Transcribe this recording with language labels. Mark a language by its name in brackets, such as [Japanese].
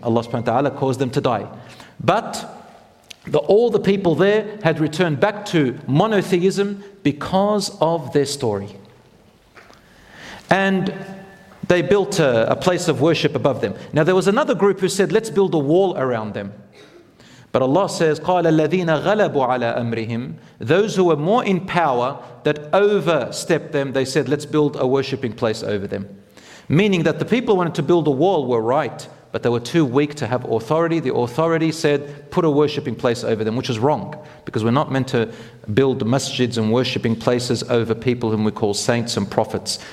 [English] Allah subhanahu wa ta'ala caused them to die. But all the people there had returned back to monotheism because of their story. And they built a place of worship above them. Now there was another group who said, let's build a wall around them. But Allah says, [Arabic] قَالَ الَّذِينَ غَلَبُوا عَلَىٰ أَمْرِهِمْ. [English] Those who were more in power that overstepped them, they said, let's build a worshipping place over them. Meaning that the people who wanted to build a wall were right, but they were too weak to have authority. The authority said, put a worshipping place over them, which is wrong, because we're not meant to build masjids and worshipping places over people whom we call saints and prophets.